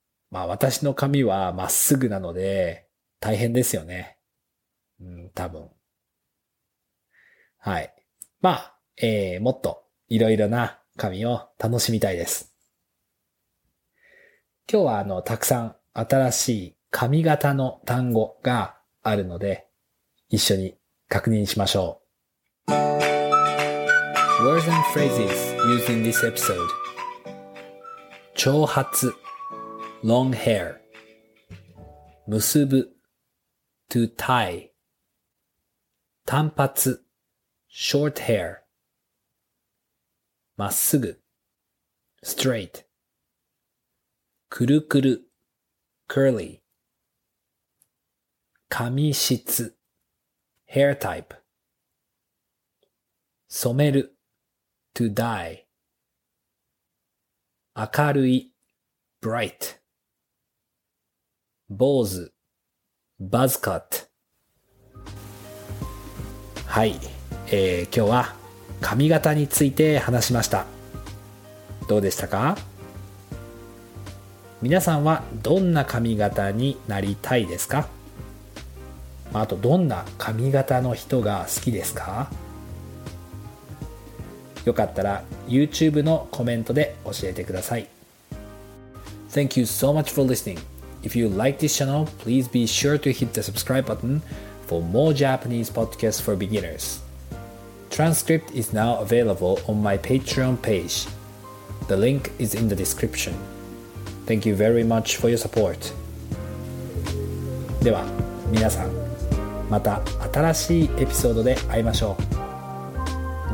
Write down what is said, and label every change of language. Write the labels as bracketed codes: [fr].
[ja] 私の髪はまっすぐなので大変ですよね。多分。はい。もっといろいろな髪を楽しみたいです。今日はたくさん新しい髪型の単語があるので、一緒に確認しましょう。 [en] Words and phrases used in this episode. 長髪 long hair. 結ぶ to tie. 短髪 short hair. まっすぐ straight. くるくる curly 髪質 hair type 染める to dye 明るい bright 坊主 buzz cut。 [ja] はい、今日は髪型について話しました。どうでしたか？皆さんはどんな髪型になりたいですか？あと、どんな髪型の人が好きですか？よかったら YouTube のコメントで教えてください。 [en] Thank you so much for listening. If you like this channel, please be sure to hit the subscribe button for more Japanese podcasts for beginners. Transcript is now available on my Patreon page. The link is in the description. Thank you very much for your support. [ja] では皆さん、また新しいエピソードで会いましょう。